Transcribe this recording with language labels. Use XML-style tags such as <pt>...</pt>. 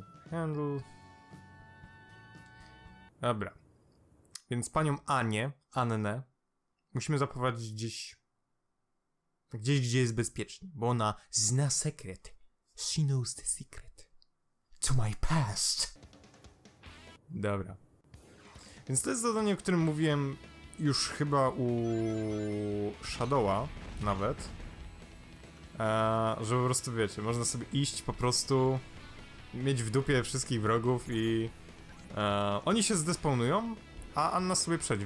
<en>Handle.</en> <pl>Dobra. Więc panią Annę, musimy zaprowadzić gdzieś, gdzie jest bezpiecznie. Bo ona zna sekret.</pl> <en>She knows the secret to my past.</en> <pl>Dobra. Więc to jest zadanie, o którym mówiłem już chyba u Shadowa nawet. Że po prostu wiecie, można sobie iść po prostu, mieć w dupie wszystkich wrogów i oni się zdespawnują, a Anna sobie przejdzie.</pl>